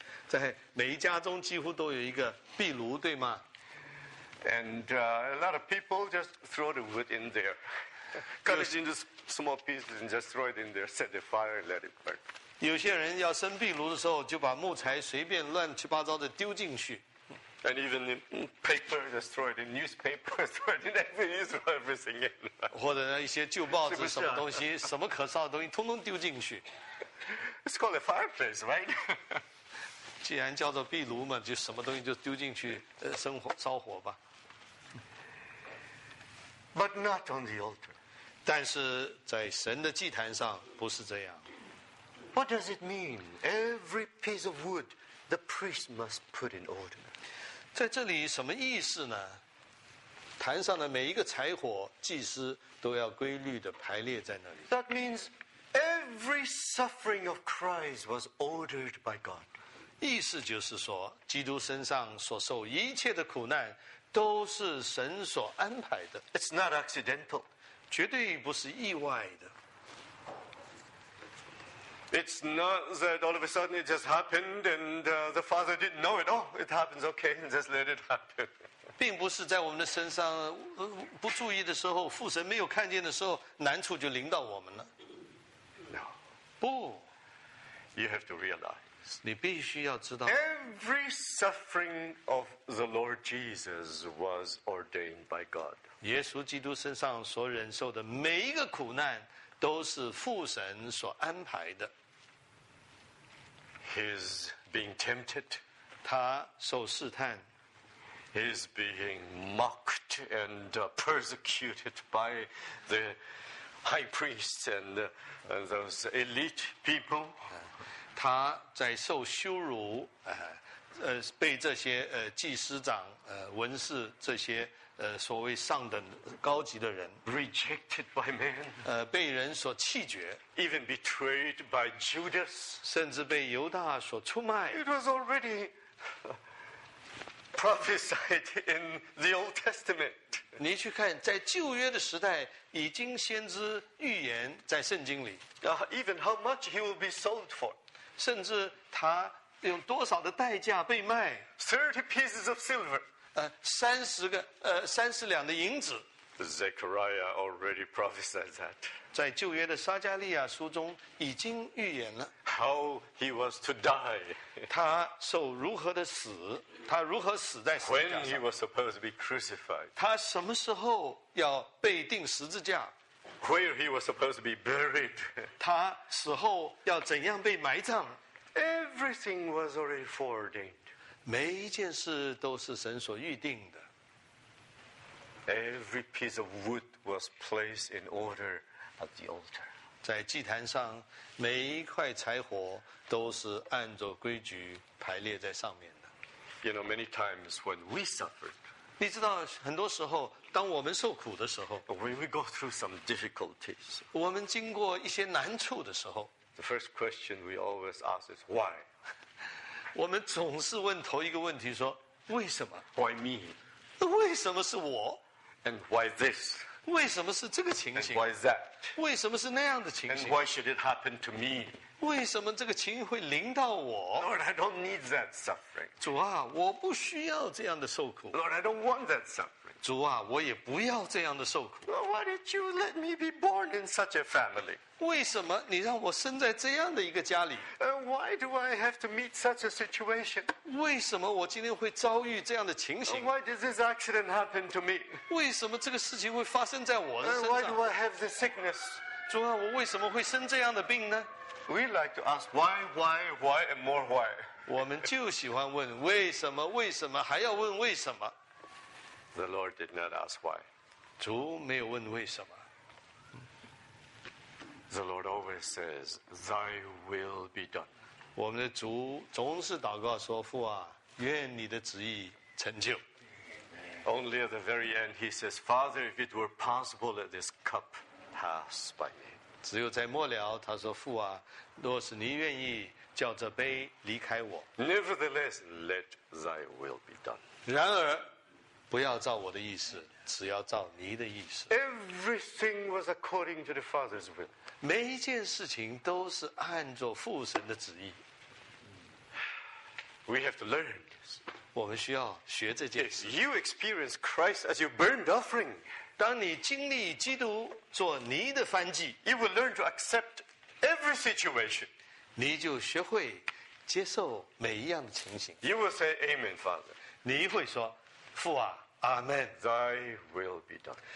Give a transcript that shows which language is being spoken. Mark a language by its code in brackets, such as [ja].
[zh] 在每一家中几乎都有一个壁炉，对吗？ [en] And a lot of people just throw the wood in there, cut it into small pieces and just throw it in there, set the fire and let it burn. [zh] 有些人要生壁炉的时候，就把木材随便乱七八糟的丢进去。 [en] And even the paper just throw it in, newspaper throw it in, everything in. [zh] 或者一些旧报纸什么东西，什么可烧的东西，通通丢进去。 [en] It's called a fireplace, right? [zh] 既然叫做壁炉嘛，就什么东西就丢进去，生火烧火吧。 [en] But not on the altar. [zh] 但是在神的祭坛上不是这样。 [en] What does it mean? Every piece of wood, the priest must put in order. [zh] 在这里什么意思呢？坛上的每一个柴火，祭司都要规律的排列在那里。 [en] That means every suffering of Christ was ordered by God. [zh] 意思就是说，基督身上所受一切的苦难，都是神所安排的。 [en] It's not accidental. [zh] 绝对不是意外的。 [en] It's not that all of a sudden it just happened and the father didn't know it. Oh, it happens, okay, and just let it happen. [zh] 并不是在我们的身上不注意的时候，父神没有看见的时候，难处就临到我们了。 [en] No. [zh] 不。 [en] You have to realize. [zh] 你必须要知道。 [en] Every suffering of the Lord Jesus was ordained by God. [zh] 耶稣基督身上所忍受的每一个苦难都是父神所安排的。 [en] He's being tempted. [zh] 他受试探。 [en] He's being mocked and persecuted by the high priests and those elite people. [zh] 他在受羞辱，被这些祭司长、文士这些。所谓上等高级的人 [en] rejected by men [zh] 被人所弃绝 [en] even betrayed by Judas [zh] 甚至被犹大所出卖 [en] it was already prophesied in the Old Testament [zh] 你去看在旧约的时代已经先知预言在圣经里 [en] even how much he will be sold for [zh] 甚至他用多少的代价被卖 [en] 30 pieces of silver [zh] 30两的银子。 [en] Zechariah already prophesied that. [zh] 在旧约的撒加利亚书中已经预言了。 [en] How he was to die. [zh] 他受如何的死，他如何死在十字架上。 [en] When he was supposed to be crucified. [zh] 他什么时候要被钉十字架。 [en] Where he was supposed to be buried. [zh] 他死后要怎样被埋葬。 [en] Everything was already foreordained. [zh] 每一件事都是神所预定的。 [en] Every piece of wood was placed in order at the altar. [zh] 在祭坛上，每一块柴火都是按照规矩排列在上面的。 [en] You know, many times when we suffered. [zh] 你知道，很多时候，当我们受苦的时候 [en] ，when we go through some difficulties， [zh] 我们经过一些难处的时候 [en] ，the first question we always ask is why. [zh] 我们总是问头一个问题说为什么 [en] Why me? [zh] 为什么是我 [en] And why this? [zh] 为什么是这个情形 [en] And why that? [zh] 为什么是那样的情形 [en] And why should it happen to me? [zh] 为什么这个情形会临到我 [en] Lord, I don't need that suffering. [zh] 主啊我不需要这样的受苦 [en] Lord, I don't want that suffering. [zh] 主啊我也不要这样的受苦 [en] Lord, why did you let me be born in such a family? [zh] 为什么你让我生在这样的一个家里 [en] why do I have to meet such a situation? [zh] 为什么我今天会遭遇这样的情形 [en] why did this accident happen to me? [zh] 为什么这个事情会发生在我的身上 [en] why do I have this sickness? [zh] 主啊我为什么会生这样的病呢 [en] we like to ask why and more why [zh] 我们就喜欢问为什么为什么还要问为什么 [en] the Lord did not ask why [zh] 主没有问为什么 [en] The Lord always says, "Thy will be done." [zh] 我们的主总是祷告说：“父啊，愿你的旨意成就。” [en] Only at the very end, he says, "Father, if it were possible, let this cup pass by me." [zh] 只有在末了，他说：“父啊，若是你愿意，叫这杯离开我。” [en] Nevertheless, let Thy will be done. [zh] 然而，不要照我的意思，只要照你的意思。 [en] Everything was according to the Father's will. [zh] 每一件事情都是按照父神的旨意。 [en] We have to learn. [zh] 我们需要学这件事。 [en] If you experience Christ as your burnt offering, [zh] 当你经历基督做你的燔祭 [en] you will learn to accept every situation. [zh] 你就学会接受每一样的情形。 [en] You will say Amen, Father. [zh] 你会说，父啊，阿门。 [en] Thy will be done.